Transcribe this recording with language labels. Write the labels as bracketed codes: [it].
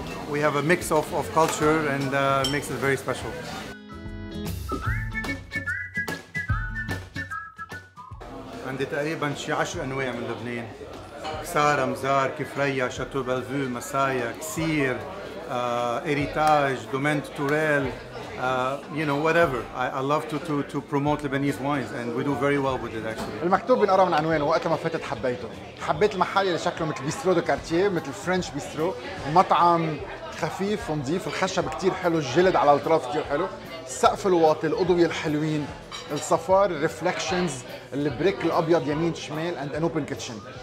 [en] We have a mix of culture and makes it very special. [ar] عندي تقريبا شي 10 انواع من لبنان. كسارة, مزار, كفرية, شاتو بلفو, مسايا, كسير, اريتاج, دومين توريل, [en] you know, whatever. I love to promote Lebanese wines and we do very well with it actually. [ar] المكتوب بنقرا من عنوانه, وقت ما فتت حبيته. حبيت المحل اللي شكله مثل بيسترو دو كارتييه, مثل فرنش بيسترو. مطعم خفيف ونظيف, الخشب كتير حلو, الجلد على الاطراف كتير حلو, السقف الواطي, الاضوية الحلوين, الصفار, الريفلكشنز, البريك الابيض يمين شمال, [en] and an open kitchen.